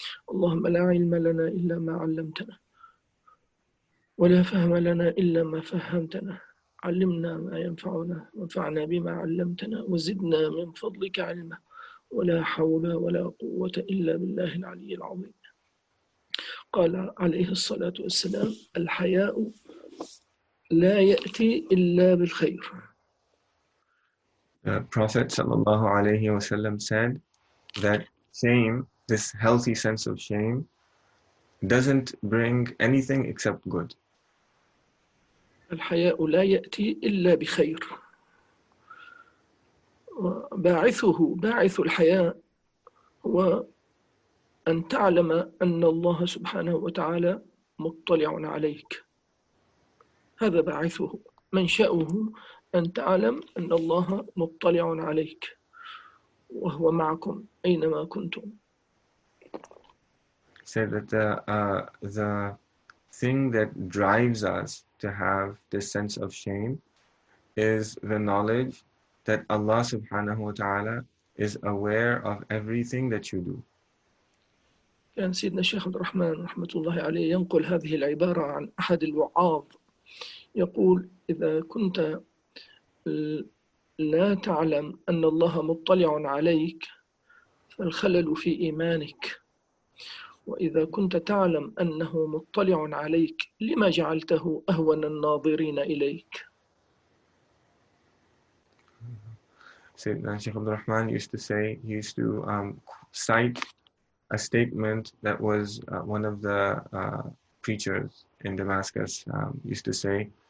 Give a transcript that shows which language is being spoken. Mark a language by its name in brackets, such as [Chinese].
[Arabic] اللهم لا علم لنا إلا ما علمتنا، ولا فهم لنا إلا ما فهمتنا، علمنا ما ينفعنا وانفعنا بما علمتنا وزدنا من فضلك علما، ولا حول ولا قوة إلا بالله العلي العظيم. قال عليه الصلاة والسلام: الحياء لا يأتي إلا بالخير. [English] The Prophet sallallahu alayhi wa sallam said that shame, this healthy sense of shame, doesn't bring anything except good. [Arabic] الحياء لا يأتي إلا بخير. باعثه، باعث الحياء هو أن تعلم أن الله سبحانه وتعالى مطلع عليك، هذا باعثه، منشأه أن تعلم أن الله مطلع عليك وهو معكم أينما كنتم. [English] Said that the thing that drives us to have this sense of shame is the knowledge that Allah subhanahu wa ta'ala is aware of everything that you do. [Arabic] كان سيدنا الشيخ عبد الرحمن رحمة الله عليه ينقل هذه العبارة عن أحد الوعاظ، يقول: إذا كنت لا تعلم أن الله مطلع عليك فالخلل في إيمانك، وإذا كنت تعلم أنه مطلع عليك لما جعلته أهون الناظرين إليك؟ [English] Sayyidina Shaykh Abdul Rahman used to say, he used to cite a statement that was one of the preachers in Damascus used to say,